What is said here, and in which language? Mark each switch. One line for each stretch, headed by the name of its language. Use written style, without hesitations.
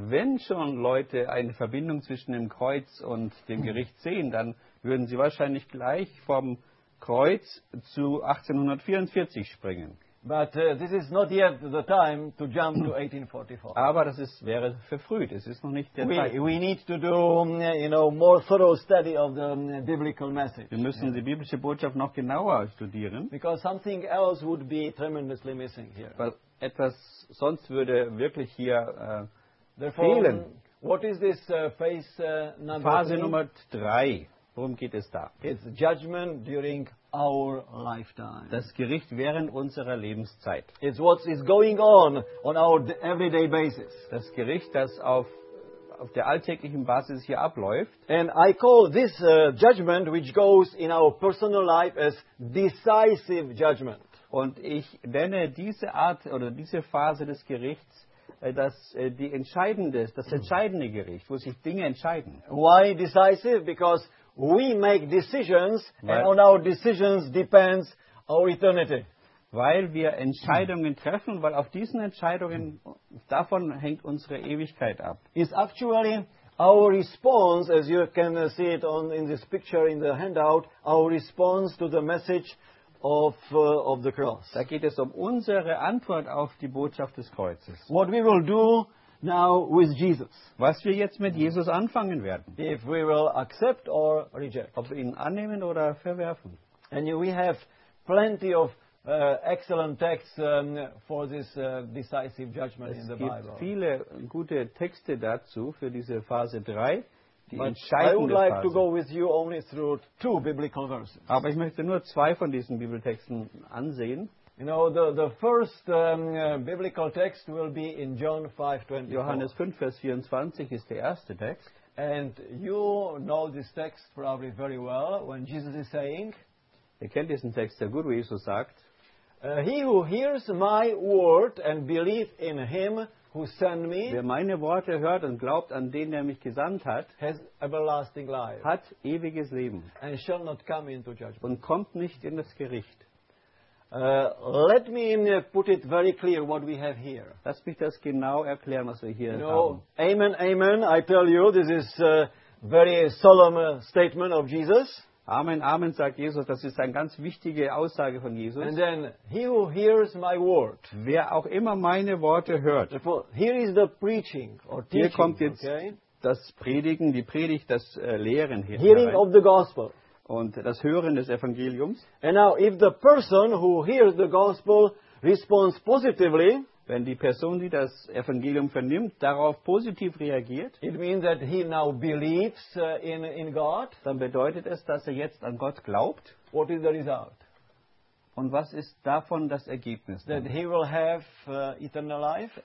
German: Wenn schon Leute eine Verbindung zwischen dem Kreuz und dem Gericht sehen, dann würden sie wahrscheinlich gleich vom Kreuz zu 1844 springen.
English: But this is not yet the time to jump to 1844.
German: Aber das ist, wäre verfrüht. Es ist noch nicht der Zeitpunkt.
English: We need to do more thorough study of the biblical message.
German: Wir müssen die biblische Botschaft noch genauer studieren.
English: Because something else would be tremendously missing here.
German: Weil etwas sonst würde wirklich hier fehlen.
English: What is this phase number?
German: Phase Nummer 3. Worum geht es da?
English: It's judgment during our lifetime.
German: Das Gericht während unserer Lebenszeit.
English: It's what is going on our everyday basis.
German: Das Gericht, das auf der alltäglichen Basis hier abläuft.
English: And I call this judgment, which goes in our personal life, as decisive judgment.
German: Und ich nenne diese Art oder diese Phase des Gerichts das entscheidende Gericht, wo sich Dinge entscheiden.
English: Why decisive? Because we make decisions, and on our decisions depends our eternity.
German: Weil wir Entscheidungen treffen, weil auf diesen Entscheidungen davon hängt unsere Ewigkeit ab.
English: It's actually our response, as you can see it in this picture in the handout, our response to the message of the cross.
German: Da geht es um unsere Antwort auf die Botschaft des Kreuzes.
English: What we will do now with Jesus.
German: Was wir jetzt mit Jesus anfangen werden.
English: If we will accept or reject.
German: Ob wir ihn annehmen oder verwerfen.
English: And we have plenty of excellent texts for this decisive judgment in the Bible.
German: Es gibt viele gute Texte dazu für diese Phase 3.
English: I would like to go with you only through two biblical verses.
German: Aber ich möchte nur zwei von diesen Bibeltexten ansehen.
English: You know, the first biblical text will be in John 5:24.
German: Johannes 5, Vers 24 ist der erste Text.
English: And you know this text probably very well when Jesus is saying.
German: Ihr kennt diesen Text sehr gut, wie Jesus sagt.
English: He who hears my word and believes in him who sent me.
German: Wer meine Worte hört und glaubt an den, der mich gesandt hat.
English: Has everlasting life.
German: Hat ewiges Leben.
English: And shall not come into judgment.
German: Und kommt nicht in das Gericht.
English: Let me put it very clear what we have here.
German: Lass mich das genau erklären, was wir hier haben.
English: Amen, amen. I tell you, this is very solemn statement of Jesus.
German: Amen, amen, sagt Jesus. Das ist eine ganz wichtige Aussage von Jesus.
English: And then, he who hears my word.
German: Wer auch immer meine Worte hört.
English: Here is the preaching or teaching.
German: Hier kommt jetzt
English: okay?
German: Das Predigen, die Predigt, das Lehren hier.
English: Hearing
German: herein.
English: Of the gospel.
German: Und das Hören des Evangeliums.
English: And now, if the person who hears the gospel responds positively.
German: Wenn die Person, die das Evangelium vernimmt, darauf positiv reagiert,
English: it means that he now believes in God.
German: Dann bedeutet es, dass er jetzt an Gott glaubt.
English: What is the result?
German: Und was ist davon das Ergebnis?
English: That he will have eternal life.